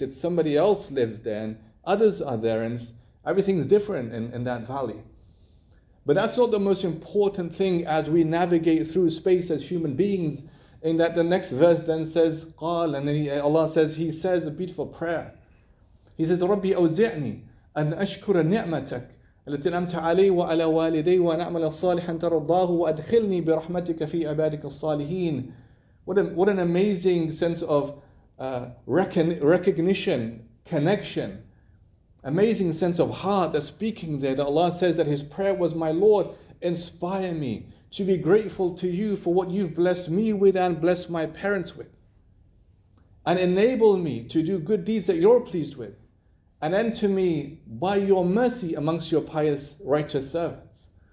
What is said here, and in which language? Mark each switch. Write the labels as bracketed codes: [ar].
[en] It's somebody else lives there, and others are there, and everything's different in that valley. But that's not the most important thing as we navigate through space as human beings, in that the next verse then says, قال, and then Allah says, he says a beautiful prayer. [ar] He says, رَبِّ أَوْزِعْنِي أَنْ أَشْكُرَ نِعْمَتَكَ التي نعمت علي وعلى والدي وأن أعمل الصالح أن ترضاه وأدخلني برحمتك في عبادك الصالحين. [en] What an amazing sense of recognition, connection, amazing sense of heart that's speaking there, that Allah says that his prayer was, my Lord, inspire me to be grateful to you for what you've blessed me with and blessed my parents with, and enable me to do good deeds that you're pleased with, and enter me by your mercy amongst your pious, righteous servants.